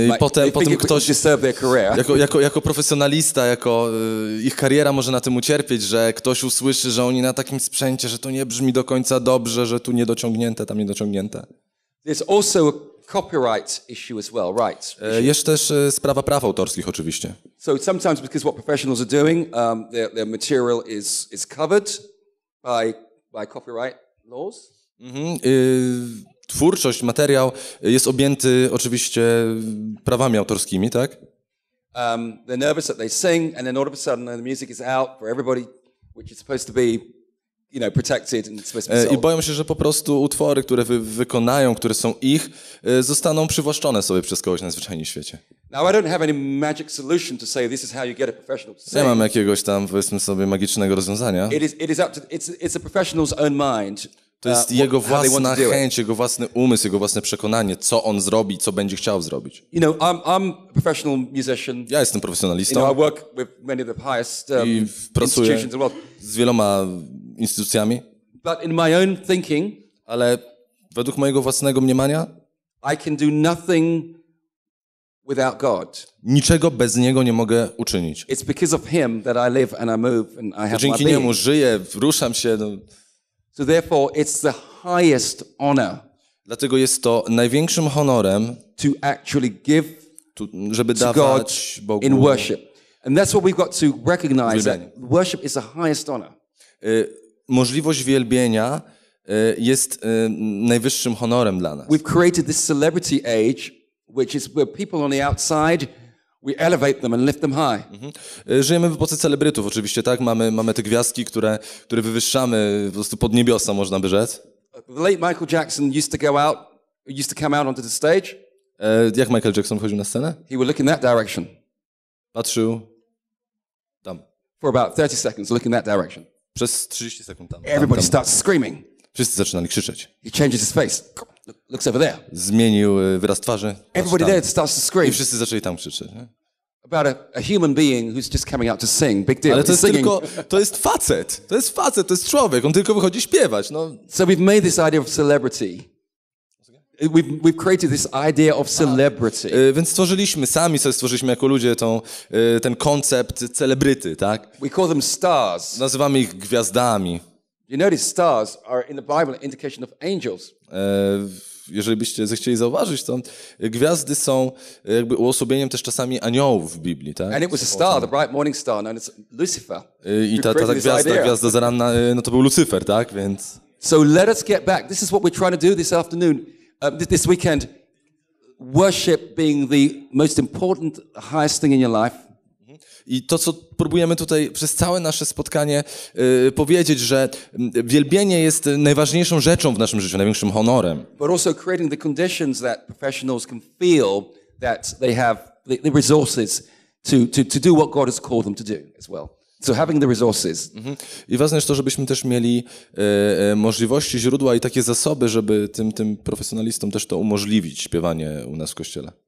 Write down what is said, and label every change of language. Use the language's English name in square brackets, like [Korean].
[Polish] potem ktoś jako profesjonalista, jako ich kariera może na tym ucierpieć, że ktoś usłyszy, że oni na takim sprzęcie, że to nie brzmi do końca dobrze, że tu niedociągnięte, tam niedociągnięte. [English] There's also a copyright issue as well, right? [Polish] Jest też sprawa praw autorskich oczywiście. [English] So sometimes because what professionals are doing, their material is covered by copyright laws. Mm-hmm. [Polish] Twórczość, materiał jest objęty oczywiście prawami autorskimi, tak? [English] They're nervous that they sing and then all of a sudden the music is out for everybody, which is supposed to be, you know, protected and supposed to be sold. [Polish] I boją się, że po prostu utwory, które wykonają, które są ich, zostaną przywłaszczone sobie przez kogoś na zwyczajnym świecie. [English] Now I don't have any magic solution to say this is how you get a professional to sing. [Polish] Nie mam jakiegoś tam, powiedzmy sobie, magicznego rozwiązania. [English] It's a professional's own mind. [Polish] To jest jego własna chęć, jego własny umysł, jego własne przekonanie, co on zrobi, co będzie chciał zrobić. [English] You know, I'm a professional musician. [Polish] Ja jestem profesjonalistą. [English] You know, I work with many of the highest institutions in the world. [Polish] Z wieloma instytucjami. [English] But in my own thinking, [Polish] ale według mojego własnego mniemania, [English] I can do nothing without God. [Polish] Niczego bez niego nie mogę uczynić. [English] It's because of him that I live and I move and I have my being. [Polish] Dzięki niemu żyję, ruszam się. [English] So therefore it's the highest honor. [Polish] Dlatego jest to największym honorem [English] to actually give to, [Polish] żeby [English] to [Polish] dawać [English] God [Polish] Bogu [English] in worship. And that's what we've got to recognize, that worship is the highest honor. [Polish] Możliwość wielbienia jest najwyższym honorem dla nas. [English] We've created this celebrity age, which is where people on the outside, we elevate them and lift them high. Mm-hmm. [Polish] Żyjemy w epoce celebrytów, oczywiście, tak? Mamy te gwiazdki, które wywyższamy po prostu pod niebiosa, można by rzec. [English] The late Michael Jackson used to come out onto the stage. [Polish] Jak Michael Jackson wchodził na scenę? [English] He would look in that direction. [Polish] Patrzył tam. [English] For about 30 seconds, look in that direction. [Polish] Przez 30 sekund tam. [English] Everybody starts screaming. [Polish] Wszyscy zaczynali krzyczeć. [English] He changes his face. Looks over there. [Polish] Zmienił wyraz twarzy. [English] Everybody there starts to scream. [Polish] I wszyscy zaczęli tam krzyczeć. [English] About a human being who's just coming out to sing. Big deal. [Polish] Ale to jest tylko, to jest facet. To jest facet, to jest człowiek. On tylko wychodzi śpiewać. No. [English] So we've made this idea of celebrity. We've created this idea of celebrity. [Polish] Więc stworzyliśmy sami, sobie stworzyliśmy jako ludzie ten koncept celebryty, tak? [English] We call them stars. [Polish] Nazywamy ich gwiazdami. [English] You notice stars are in the Bible an indication of angels. [Polish] Jeżeli byście zechcieli zauważyć, to gwiazdy są jakby uosobieniem też czasami aniołów w Biblii, tak? [English] And it was a star, the bright morning star known as Lucifer. [Polish] I ta gwiazda zaranna, no to był Lucifer, tak? Więc. [English] So let us get back. This is what we're trying to do this afternoon, this weekend. Worship being the most important, highest thing in your life. [Polish] I to, co próbujemy tutaj przez całe nasze spotkanie powiedzieć, że wielbienie jest najważniejszą rzeczą w naszym życiu, największym honorem. [English] But also creating the conditions that professionals can feel that they have the resources to do what God has called them to do as well. So having the resources. Mm-hmm. [Polish] I ważne jest to, żebyśmy też mieli możliwości, źródła i takie zasoby, żeby tym profesjonalistom też to umożliwić, śpiewanie u nas w kościele.